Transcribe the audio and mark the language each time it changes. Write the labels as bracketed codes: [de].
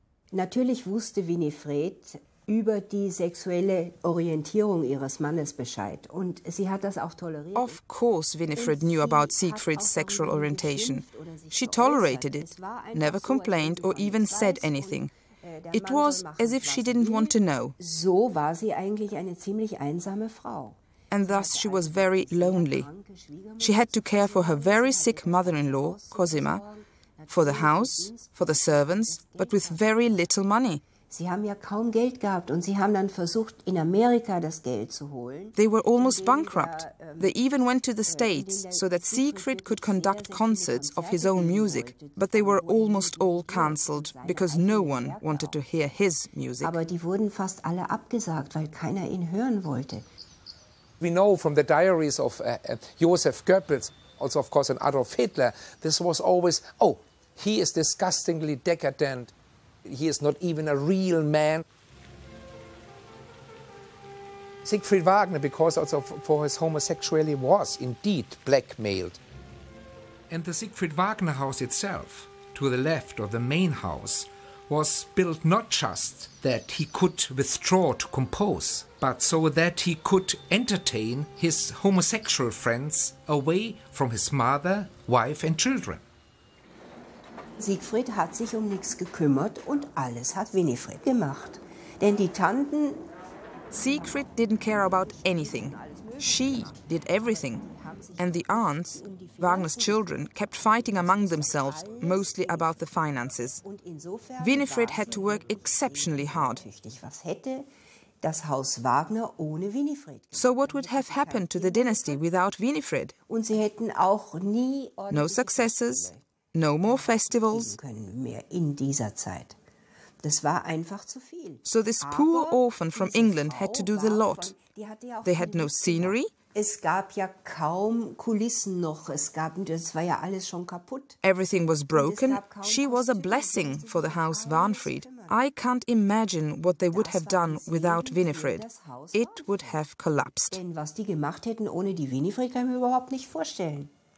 [de] Natürlich wusste Winifred über die sexuelle Orientierung ihres Mannes Bescheid und sie hat das auch toleriert. [en] Of course Winifred knew about Siegfried's sexual orientation. She tolerated it, never complained or even said anything. It was as if she didn't want to know. [de] So war sie eigentlich eine ziemlich einsame Frau. [en] And thus she was very lonely. She had to care for her very sick mother-in-law, Cosima, for the house, for the servants, but with very little money. [de] Sie haben ja kaum Geld gehabt und sie haben dann versucht, in Amerika das Geld zu holen. [en] They were almost bankrupt. They even went to the States so that Siegfried could conduct concerts of his own music. But they were almost all cancelled, because no one wanted to hear his music. [de] Aber die wurden fast alle abgesagt, weil keiner ihn hören wollte. [en] We know from the diaries of Joseph Goebbels, also of course and Adolf Hitler, this was always, oh, he is disgustingly decadent. He is not even a real man. Siegfried Wagner, because also for his homosexuality, was indeed blackmailed. And the Siegfried Wagner house itself, to the left of the main house, was built not just that he could withdraw to compose, but so that he could entertain his homosexual friends away from his mother, wife and children. [de] Siegfried hat sich um nichts gekümmert und alles hat Winifred gemacht. Denn die Tanten... [en] Siegfried didn't care about anything. She did everything. And the aunts, Wagner's children, kept fighting among themselves, mostly about the finances. Winifred had to work exceptionally hard. [de] Was hätte das Haus Wagner ohne Winifred? [en] So what would have happened to the dynasty without Winifred? [de] Und sie hätten auch nie... [en] No successes. No more festivals. [de] In dieser Zeit. Das war einfach zu viel. [en] So this poor orphan from England had to do the lot. They had no scenery. [de] Es gab ja kaum Kulissen noch. Es gab, das war ja alles schon kaputt. [en] Everything was broken. She was a blessing for the house Warnfried. I can't imagine what they would have done without Winifred. It would have collapsed. [de] Denn was die gemacht hätten ohne die Winifred, kann ich mir überhaupt nicht vorstellen.